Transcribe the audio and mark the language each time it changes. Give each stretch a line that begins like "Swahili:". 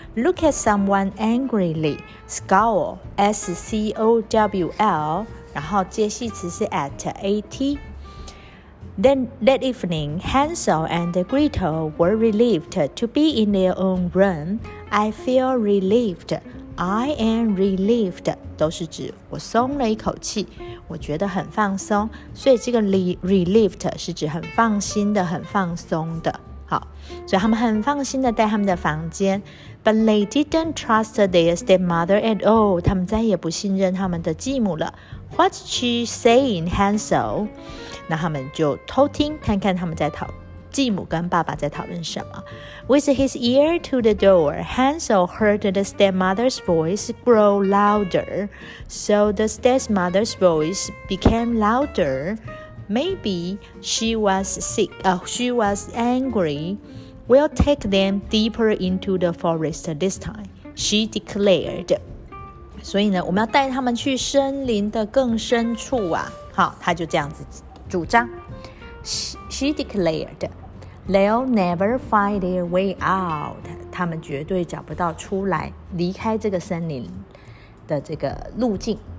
English: Look at someone angrily. Scowl, S-C-O-W-L.
Chinese: 然后介系词是 at, A-T.
English: Then that evening, Hansel and Gretel were relieved to be in their own room. I feel relieved. I am relieved.
Chinese: 都是指我松了一口气，我觉得很放松。所以这个 relieved 是指很放心的，很放松的。好，所以他们很放心的在他们的房间。
English: But they didn't trust their stepmother at all.
Chinese: 他们再也不信任他们的继母了。
English: What's she saying, Hansel?
Chinese: 那他们就偷听，看看他们在讨继母跟爸爸在讨论什么。
English: With his ear to the door, Hansel heard the stepmother's voice grow louder. So the stepmother's voice became louder. Maybe she was sick. She was angry. We'll take them deeper into the forest this time, she declared.
Chinese: 所以呢，我们要带他们去森林的更深处啊！好，他就这样子主张。
English: She declared, "They'll never find their way out."
Chinese: 他们绝对找不到出来，离开这个森林的这个路径。